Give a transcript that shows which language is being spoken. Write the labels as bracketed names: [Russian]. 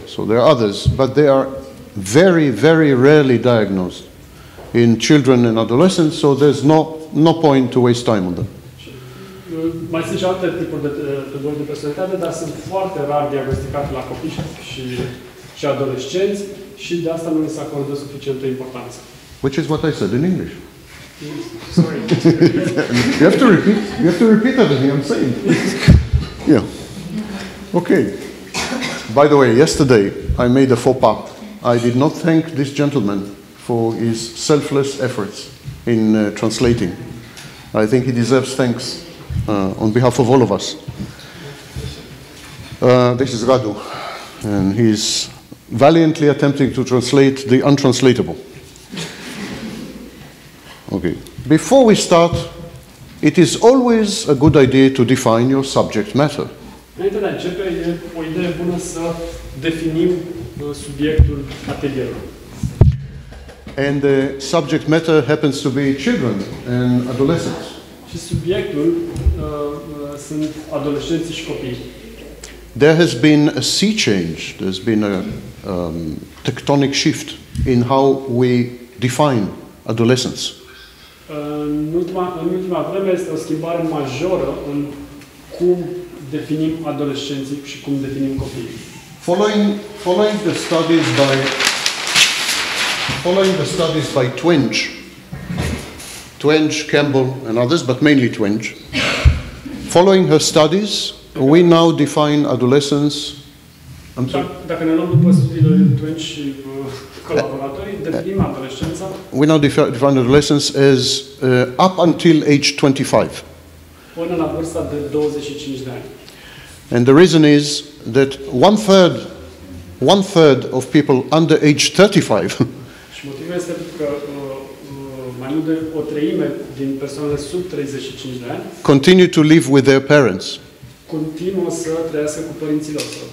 [English] So there are others, but they are very, very rarely diagnosed in children and adolescents, so there's no point to waste time on them. [Romanian] Mai sunt și alte tipuri de tulburări de personalitate, dar sunt foarte rar diagnosticate la copii și adolescenți și de asta nu li se acordă suficientă importanță. [English] Which is what I said in English. Sorry. You have to repeat everything I'm saying. Yeah. Okay. By the way, yesterday I made a faux pas. I did not thank this gentleman for his selfless efforts in translating. I think he deserves thanks on behalf of all of us. This is Radu, and he's valiantly attempting to translate the untranslatable. Okay. Before we start, it is always a good idea to define your subject matter. [Romanian] Înainte de a începe, e o idee bună să definim subiectul atelierului. [English] And the subject matter happens to be children and adolescents. [Romanian] Și subiectul sunt adolescenții și copiii. [English] There has been a sea change. There's been a tectonic shift in how we define adolescence. [Romanian] În ultima vreme este o schimbare majoră în cum definim adolescenții și cum definim copiii. [English] Following the studies by following the studies by Twinge, Campbell, and others, but mainly Twinge, following her studies, we now define adolescence. I'm sorry. [Romanian] Dacă ne luăm după studiile Twinge și colaboratorii, definim adolescența. [English] We now define adolescence as up until age 25. [Romanian] Până la vârsta de 25 de ani. [English] And the reason is that one third of people under age 35. [Romanian] Și motivul este că mai mult de o treime din persoanele sub 35 de ani [English] continue to live with their parents. [Romanian] Continuă să trăiască cu părinții lor.